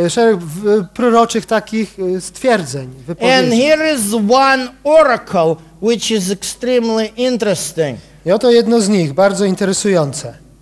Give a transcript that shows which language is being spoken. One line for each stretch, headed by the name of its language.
Polish: Szereg proroczych takich stwierdzeń, wypowiedzi.
English: And here is one oracle which is extremely interesting.
Polish: I oto jedno z nich, bardzo interesujące.